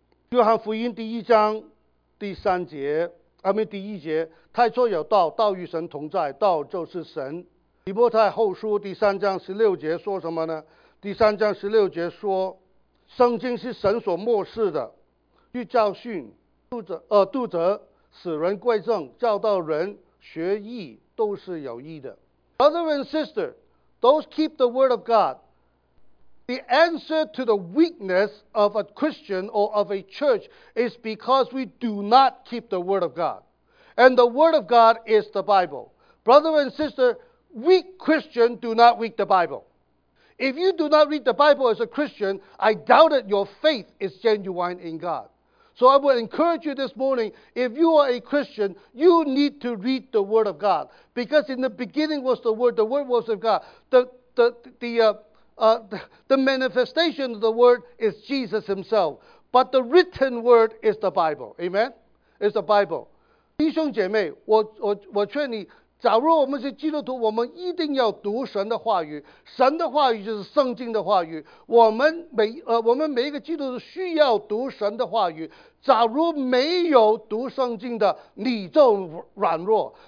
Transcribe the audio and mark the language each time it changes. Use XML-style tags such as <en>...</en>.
<zh>约翰福音第一章第三节第一节，太初有道，道与神同在，道就是神。提摩太后书第三章十六节说什么呢？第三章十六节说，圣经是神所默示的，去教训、度责、使人归正、教导人学义，都是有益的。</zh> <en>Brother and sister, those keep the word of God. The answer to the weakness of a Christian or of a church is because we do not keep the word of God. And the word of God is the Bible. Brother and sister, weak Christians do not read the Bible. If you do not read the Bible as a Christian, I doubt that your faith is genuine in God. So I would encourage you this morning, if you are a Christian, you need to read the word of God. Because in the beginning was the word was of God. The manifestation of the word is Jesus himself. But the written word is the Bible. Amen? It's the Bible.</en> <zh>弟兄姐妹，我劝你，假如我们是基督徒，我们一定要读神的话语。神的话语就是圣经的话语。我们每一个基督徒需要读神的话语。假如没有读圣经的，你就软弱。</zh>